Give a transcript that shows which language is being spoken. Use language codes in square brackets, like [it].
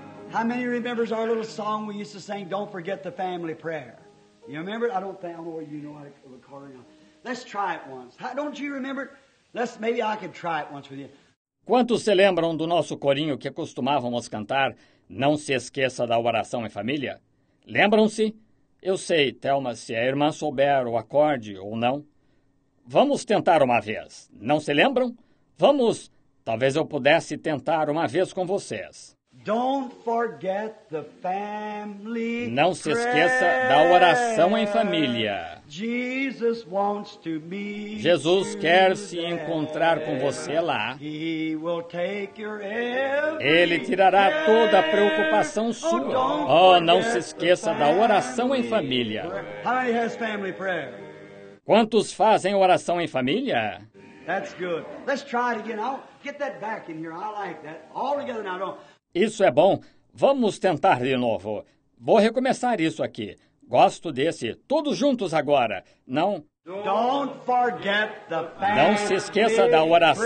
[en] How many remembers our little song we used to sing, Don't Forget the Family Prayer? You remember? I don't know whether you know how to record it. Let's try it once. Don't you remember? Maybe I could try it once with you. [pt] Quantos se lembram do nosso corinho que costumávamos cantar, Não se esqueça da oração em família? Lembram-se? Eu sei, Thelma, se a irmã souber o acorde ou não. Vamos tentar uma vez. Não se lembram? Vamos. Talvez eu pudesse tentar uma vez com vocês. [en] Don't forget the family prayer. [pt] Não se esqueça da oração em família. [en] Jesus wants to meet. [pt] Jesus quer se encontrar com você lá. [en] He will take your every. [pt] Ele tirará [en] prayer. [pt] Toda a preocupação sua. Oh, não se esqueça da oração em família. [en] How many has family prayer? [pt] Quantos fazem oração em família? [en] That's good. Let's try it again. I'll get that back in here. I like that. All together now. Don't. [pt] Isso é bom. Vamos tentar de novo. Vou recomeçar isso aqui. Gosto desse. Todos juntos agora. Não. [en] Don't forget the family. [pt] Não se esqueça da oração